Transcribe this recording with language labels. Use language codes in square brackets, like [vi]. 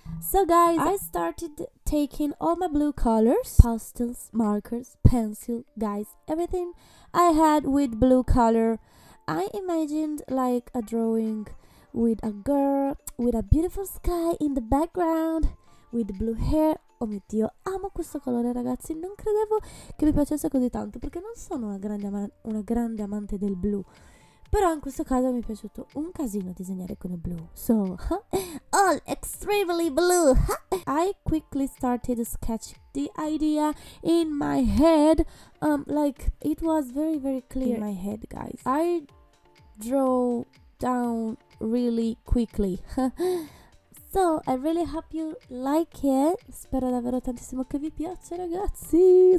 [en] So guys, I started taking all my blue colors, pastels, markers, pencil, guys, everything I had with blue color. I imagined like a drawing with a girl with a beautiful sky in the background with blue hair. [it] Oh mio Dio, amo questo colore ragazzi, non credevo che mi piacesse così tanto perché non sono una grande amante del blu. Però in questo caso mi è piaciuto un casino disegnare con il blu. [en] So, all extremely blue. I quickly started sketching the idea in my head. Like, it was very, very clear in my head, guys. I draw down really quickly. So, I really hope you like it. [it] Spero davvero tantissimo che vi piaccia, ragazzi.